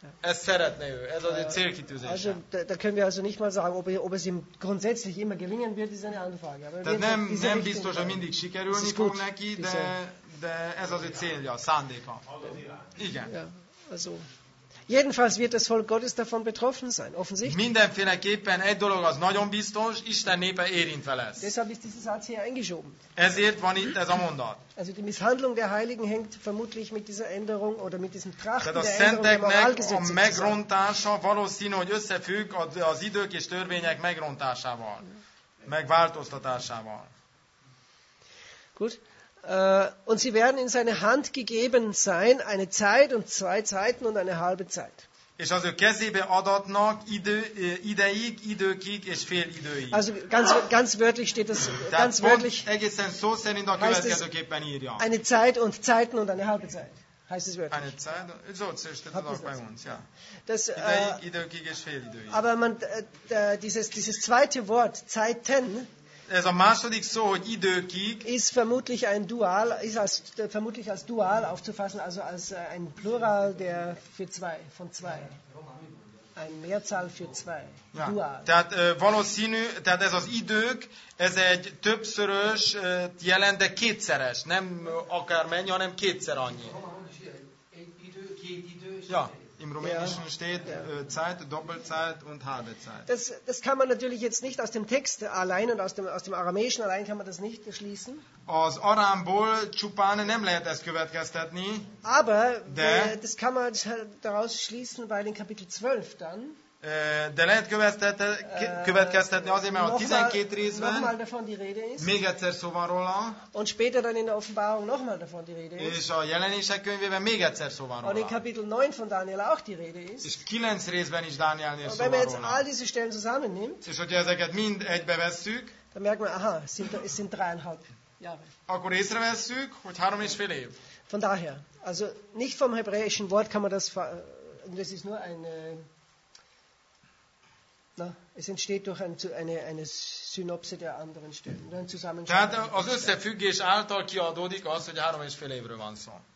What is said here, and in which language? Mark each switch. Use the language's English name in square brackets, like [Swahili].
[Hungarian] Ez szeretné ő, ez az ő célkitűzése. [German] Also, da können wir also nicht mal sagen, ob es ihm grundsätzlich immer gelingen wird, ist eine andere Frage. [Hungarian] Tehát nem biztos, hogy mindig sikerülni fog neki, de ez az ő célja, szándéka. Igen. [German] Ja, also. Jedenfalls wird das Volk Gottes davon betroffen sein, offensichtlich. [Hungarian] Mindenféleképpen egy dolog az nagyon biztos, Isten népe érintve lesz. [German] Deshalb ist dieser Satz hier eingeschoben. [Hungarian] Ezért van itt ez a mondat. [German] Also die Misshandlung der Heiligen hängt vermutlich mit dieser Änderung oder mit diesem Trachten der Änderung der Moralgesetze zusammen. [Hungarian] A megrontása valószínű, hogy összefügg az idők és törvények megrontásával, megváltoztatásával. [German] Gut. Und sie werden in seine Hand gegeben sein, eine Zeit und zwei Zeiten und eine halbe Zeit. [Hungarian] És az ő kezébe adatnak ideig, időkig és fél időig. [German] Also ganz wörtlich steht das, ganz wörtlich. [Hungarian] Egészen szó szerint a következőképpen írja. [German] Eine Zeit und Zeiten und eine halbe Zeit. Heißt es wörtlich. Eine Zeit, so steht das auch bei uns, ja. [Hungarian] Das, ideig, időkig és fél időig. [German] Aber man, dieses zweite Wort, Zeiten, [Hungarian] ez a második szó, hogy időkig. [German] Ist vermutlich ein Dual, ist als vermutlich als Dual aufzufassen, also als ein Plural der für zwei, von zwei. Ein Mehrzahl für zwei. Ja. Dual. [Hungarian] Tehát valószínű, tehát ez az idők, ez egy többszörös jelent, de kétszeres, nem akármennyi, hanem kétszer annyi. Egy idő, két idő. [German] Ja. Im Rumänischen steht Zeit, Doppelzeit und halbe Zeit. Das kann man natürlich jetzt nicht aus dem Text allein und aus dem Aramäischen allein kann man das nicht schließen. [Hungarian] Az Aramból csupán nem lehet ezt következtetni. [German] Aber das kann man daraus schließen, weil in Kapitel 12 dann. [Hungarian] De lehet következtetni azért, mert a 12 részben még egyszer szó van róla, [German] und später dann in der Offenbarung noch mal davon die Rede ist, [Hungarian] és a jelenések könyvében még egyszer szó van róla, [German] und in Kapitel 9 von Daniel auch die Rede ist, [Hungarian] és 9 részben is Dánielnél szó van róla. [German] Wenn man jetzt all diese Stellen zusammennimmt, [Hungarian] és hogyha ezeket mind egybe vesszük, [German] dann merkt man, aha, es sind 3,5 Jahre. [Hungarian] Akkor észrevesszük, hogy 3,5 év. [German] Von daher, also nicht vom hebräischen Wort kann man das, das ist nur ein es entsteht durch eine Synopse der anderen Stellen, ein Zusammenschluss. [Hungarian] Tehát az összefüggés által kiadódik az, hogy 3,5 évről van szó.